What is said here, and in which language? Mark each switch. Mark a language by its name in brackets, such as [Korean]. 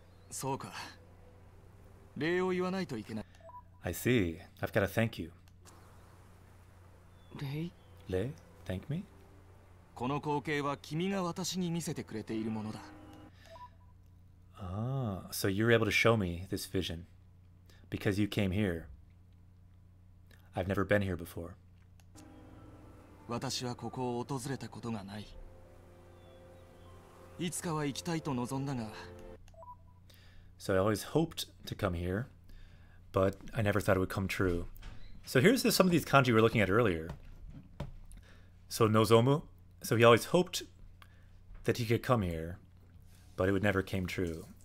[Japanese] そうか。礼を言わないといけない。 [English] I see. I've got to thank you. [Japanese] 礼? [English] 礼?Thank me? [Japanese] この光景は君が私に見せてくれているものだ。 [English] Ah, so you're able to show me this vision because you came here. I've never been here before. [Japanese] 私はここを訪れたことがない。いつかは行きたいと望んだが。 [English] So I always hoped to come here, but I never thought it would come true. So here's some of these kanji we were looking at earlier. So Nozomu, so he always hoped that he could come here, but it would never came true.